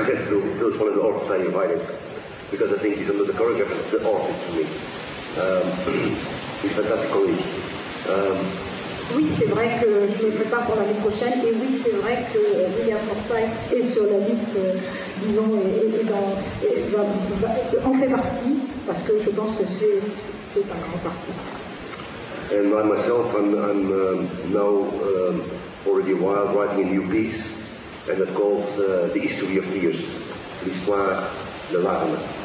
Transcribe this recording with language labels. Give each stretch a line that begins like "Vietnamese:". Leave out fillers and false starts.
English: Yes, Bill is one of the artists I invited. Because I think he's under the choreographer, the artist to me. He's fantastic colleague.
French: Oui, c'est vrai que je me prépare pour l'année prochaine. Et oui, c'est vrai que William Forsythe est sur la liste, disons, en fait partie, parce que je pense que c'est un grand artiste.
English: And I myself, I'm now already a while writing a new piece, and it calls The History of Tears,
French: l'histoire de larmes.